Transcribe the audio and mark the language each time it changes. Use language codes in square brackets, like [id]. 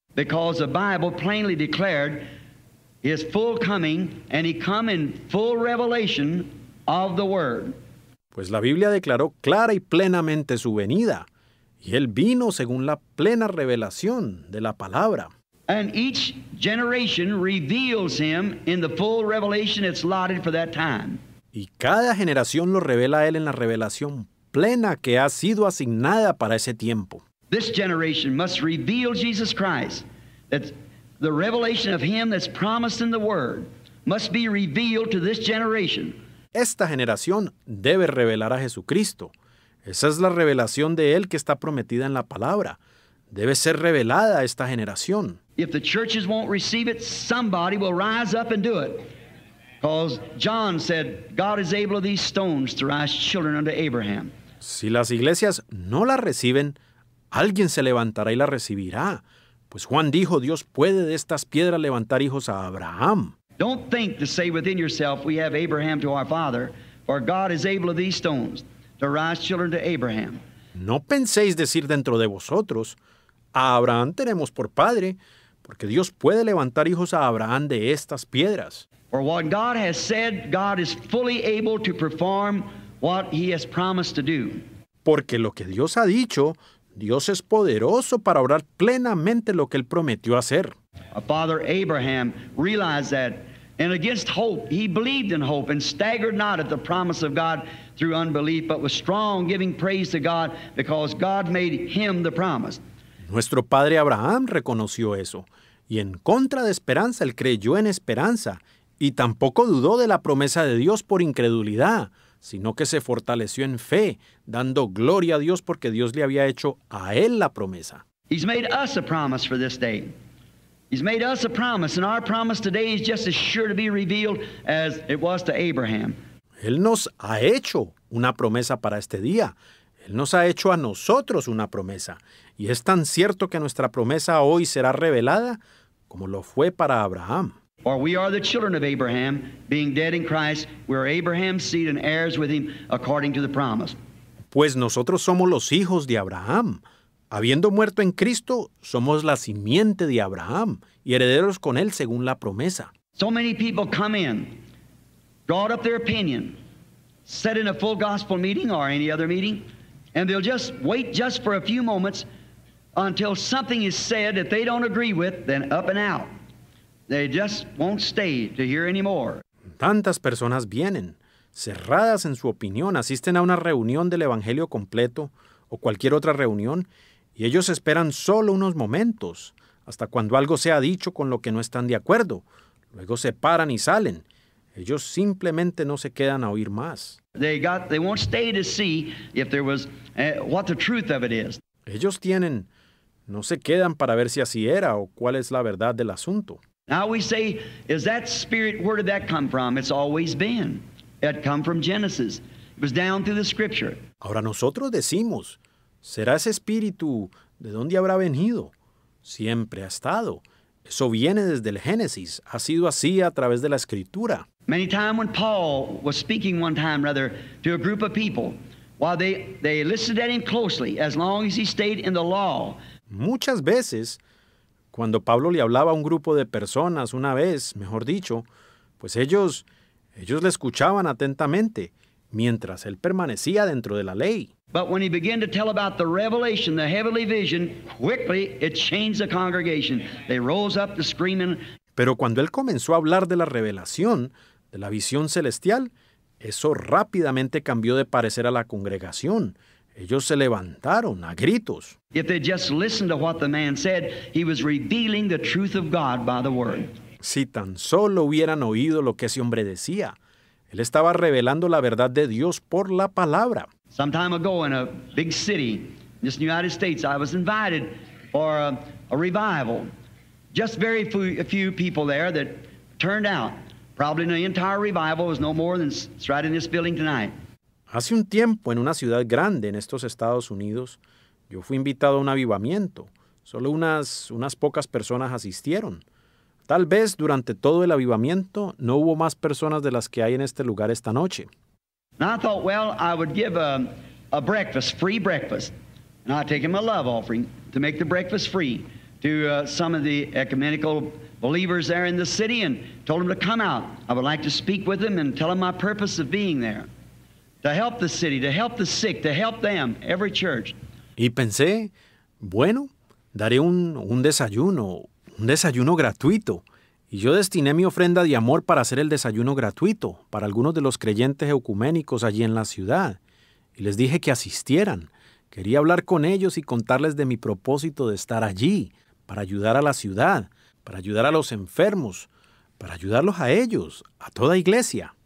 [en] Because the Bible plainly declared his full coming, and he come in full revelation of the word. [es] Pues la Biblia declaró clara y plenamente su venida, y él vino según la plena revelación de la palabra. [en] And each generation reveals him in the full revelation it's allotted for that time. [es] Y cada generación lo revela a él en la revelación plena que ha sido asignada para ese tiempo. [en] This generation must reveal Jesus Christ. That the revelation of him that's promised in the word must be revealed to this generation. [es] Esta generación debe revelar a Jesucristo. Esa es la revelación de él que está prometida en la palabra. Debe ser revelada a esta generación. [en] If the churches won't receive it, somebody will rise up and do it. Because John said, God is able of these stones to raise children unto Abraham. [es] Si las iglesias no la reciben, alguien se levantará y la recibirá. Pues Juan dijo, Dios puede de estas piedras levantar hijos a Abraham. [en] Don't think to say within yourself, we have Abraham to our father, for God is able of these stones to raise children to Abraham. [es] No penséis decir dentro de vosotros, a Abraham tenemos por padre, porque Dios puede levantar hijos a Abraham de estas piedras. [en] For what God has said, God is fully able to perform what he has promised to do. [es] Porque lo que Dios ha dicho, Dios es poderoso para obrar plenamente lo que él prometió hacer. [en] Father Abraham realized that, and against hope, he believed in hope and staggered not at the promise of God through unbelief, but was strong, giving praise to God because God made him the promise. [es] Nuestro padre Abraham reconoció eso, y en contra de esperanza, él creyó en esperanza, y tampoco dudó de la promesa de Dios por incredulidad, sino que se fortaleció en fe, dando gloria a Dios porque Dios le había hecho a él la promesa. [en] He's made us a promise for this day. He's made us a promise, and our promise today is just as sure to be revealed as it was to Abraham. [es] Él nos ha hecho una promesa para este día. Él nos ha hecho a nosotros una promesa. Y es tan cierto que nuestra promesa hoy será revelada como lo fue para Abraham. [en] For we are the children of Abraham, being dead in Christ, we are Abraham's seed and heirs with him according to the promise. [es] Pues nosotros somos los hijos de Abraham, Habiendo muerto en Cristo, somos la simiente de Abraham y herederos con él según la promesa. [en] So many people come in, brought up their opinion, set in a full gospel meeting or any other meeting, and they'll just wait just for a few moments until something is said that they don't agree with, then up and out. They just won't stay to hear anymore. [es] Tantas personas vienen, cerradas en su opinión, asisten a una reunión del Evangelio completo o cualquier otra reunión, y ellos esperan solo unos momentos, hasta cuando algo sea dicho con lo que no están de acuerdo. Luego se paran y salen. Ellos simplemente no se quedan a oír más. [en] They won't stay to see if there was what the truth of it is. [es] Ellos tienen, no se quedan para ver si así era o cuál es la verdad del asunto. [en] Now we say, is that spirit, where did that come from? It's always been. It come from Genesis. It was down through the scripture. [es] Ahora nosotros decimos, ¿será ese espíritu de dónde habrá venido? Siempre ha estado. Eso viene desde el Génesis. Ha sido así a través de la Escritura. [en] Many times when Paul was speaking one time, rather, to a group of people, while they listened at him closely, as long as he stayed in the law. [es] Muchas veces, cuando Pablo le hablaba a un grupo de personas una vez, mejor dicho, pues ellos le escuchaban atentamente, mientras él permanecía dentro de la ley. [en] But when he began to tell about the revelation, the heavenly vision, quickly it changed the congregation. They rose up to screaming. [es] Pero cuando él comenzó a hablar de la revelación, de la visión celestial, eso rápidamente cambió de parecer a la congregación. Ellos se levantaron a gritos. [en] If they just listened to what the man said, he was revealing the truth of God by the word. [es] Si tan solo hubieran oído lo que ese hombre decía, él estaba revelando la verdad de Dios por la palabra. [en] Some time ago in a big city in the United States, I was invited for a revival. Just very few people there that turned out. Probably the entire revival was no more than right in this building tonight. [es] Hace un tiempo, en una ciudad grande en estos Estados Unidos, yo fui invitado a un avivamiento. Solo unas pocas personas asistieron. Tal vez durante todo el avivamiento no hubo más personas de las que hay en este lugar esta noche. [en] And I thought, well, I would give a breakfast, free breakfast, and I'd take him a love offering to make the breakfast free to some of the ecumenical believers there in the city and told them to come out. I would like to speak with them and tell them my purpose of being there, to help the city, to help the sick, to help them, every church. [es] Y pensé, bueno, daré un desayuno gratuito. Y yo destiné mi ofrenda de amor para hacer el desayuno gratuito para algunos de los creyentes ecuménicos allí en la ciudad. Y les dije que asistieran. Quería hablar con ellos y contarles de mi propósito de estar allí para ayudar a la ciudad, para ayudar a los enfermos, para ayudarlos a ellos, a toda iglesia.